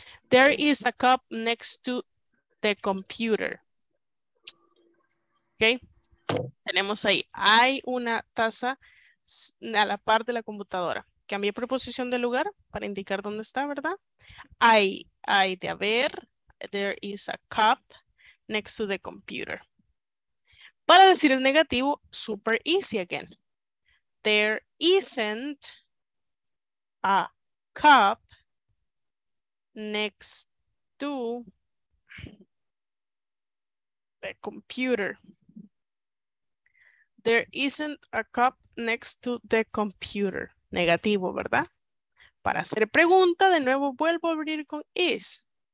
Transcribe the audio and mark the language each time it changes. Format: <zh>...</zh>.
<en>There is a cup next to the computer.</en> <es>Ok. Tenemos ahí. Hay una taza a la par de la computadora. Cambié preposición de lugar para indicar dónde está, ¿verdad? Hay de haber.</es> <en>There is a cup next to the computer.</en> <es>Para decir el negativo,</es> <en>super easy again. There isn't a cup next to the computer. There isn't a cup next to the computer.</en> <es>Negativo, ¿verdad? Para hacer pregunta, de nuevo vuelvo a abrir con is.</es>